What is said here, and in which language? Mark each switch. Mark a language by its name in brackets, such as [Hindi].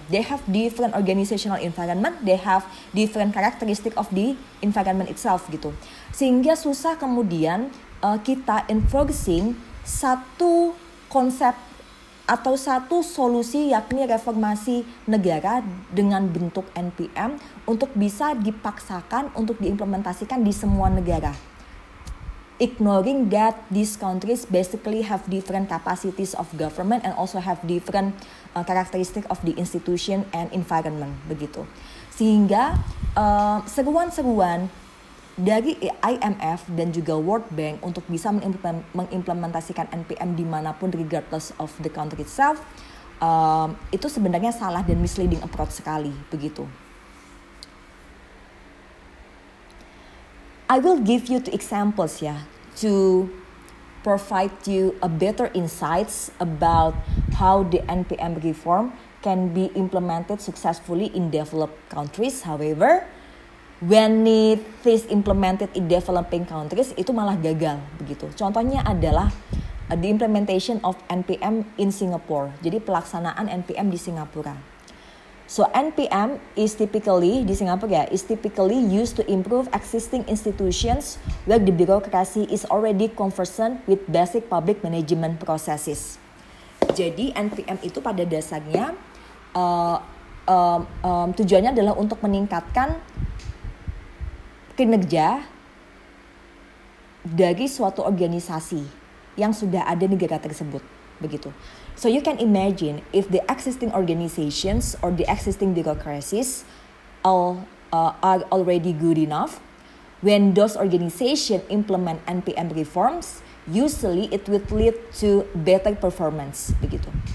[English] They have different organizational environment, they have different characteristic of the environment itself gitu. [Indonesian] Sehingga susah kemudian kita enforcing satu konsep atau satu solusi yakni reformasi negara dengan bentuk NPM untuk bisa dipaksakan untuk diimplementasikan di semua negara. [English] Ignoring that these countries basically have different capacities of government and also have different characteristic of the institution and environment, begitu. [Indonesian] Sehingga seruan-seruan dari IMF dan juga World Bank untuk bisa mengimplementasikan NPM dimanapun [English] regardless of the country itself, [Indonesian] itu sebenarnya salah dan [English] misleading approach [Indonesian] sekali, begitu. [English] I will give you two examples ya, to provide you a better insights about how the NPM reform can be implemented successfully in developed countries. However, when it is implemented in developing countries, [Indonesian] itu malah gagal, begitu. Contohnya adalah [English] the implementation of NPM in Singapore. [Indonesian] Jadi pelaksanaan NPM di Singapura. [English] So NPM is typically, [Indonesian] di Singapura ya, [English] is typically used to improve existing institutions where the bureaucracy is already conversant with basic public management processes. [Indonesian] Jadi NPM itu pada dasarnya tujuannya adalah untuk meningkatkan kinerja dari suatu organisasi yang sudah ada di negara tersebut, begitu. [English] So you can imagine if the existing organizations or the existing bureaucracies are already good enough, when those organizations implement NPM reforms, usually it will lead to better performance, begitu.